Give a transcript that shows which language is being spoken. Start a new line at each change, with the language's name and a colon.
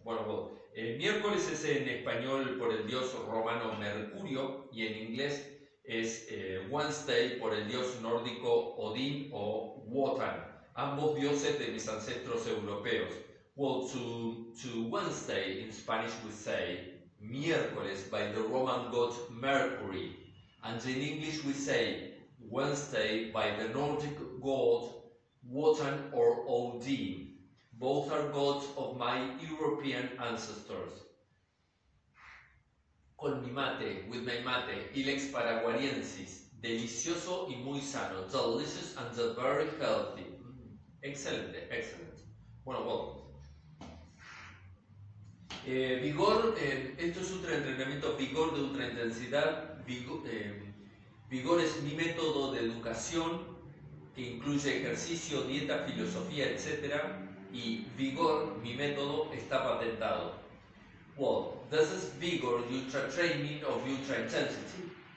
Spanish: Bueno, el miércoles es en español por el dios romano Mercurio y en inglés es Wednesday por el dios nórdico Odín o Wotan, ambos dioses de mis ancestros europeos.
English: Well, to Wednesday in Spanish we say miércoles by the Roman god Mercury, and in English we say Wednesday by the Nordic god Wotan or Odin. Both are gods of my European ancestors.
Spanish: Con mi mate,
English: with my mate,
Spanish: Ilex paraguariensis. Delicioso y muy sano.
English: Delicious and very healthy.
Spanish: Excelente, excelente. Bueno. Vigor, esto es un entrenamiento Vigor de ultra intensidad. Vigor es mi método de educación que incluye ejercicio, dieta, filosofía, etc. Y Vigor, mi método, está patentado.
English: Well, this is Vigor, ultra training of ultra intensity.